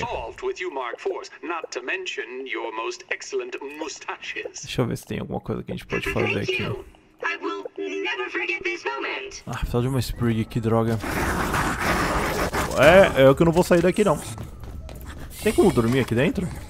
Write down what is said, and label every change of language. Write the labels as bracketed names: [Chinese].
[English] All solved with you, Mark IVs, not to mention your most excellent mustaches. [Portuguese] Deixa eu ver se tem alguma coisa que a gente pode fazer aqui. [English] I will never forget this [Portuguese] Ah, precisa de uma Sprig, que droga. É, é que eu não vou sair daqui não. Tem como dormir aqui dentro?